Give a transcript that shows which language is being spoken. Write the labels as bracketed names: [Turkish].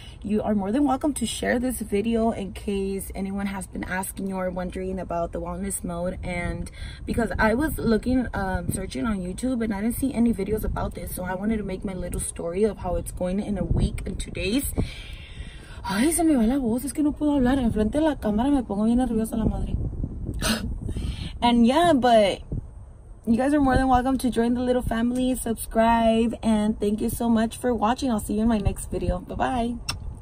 [English] You are more than welcome to share this video in case anyone has been asking you or wondering about the wellness mode. And because I was looking, searching on YouTube, and I didn't see any videos about this, so I wanted to make my little story of how it's going in a week and 2 days. [Spanish] Ay, se me va la voz, es que no puedo hablar. Enfrente de la cámara me pongo bien nerviosa la madre. [English] And yeah, but you guys are more than welcome to join the little family, subscribe, and thank you so much for watching. I'll see you in my next video. Bye-bye.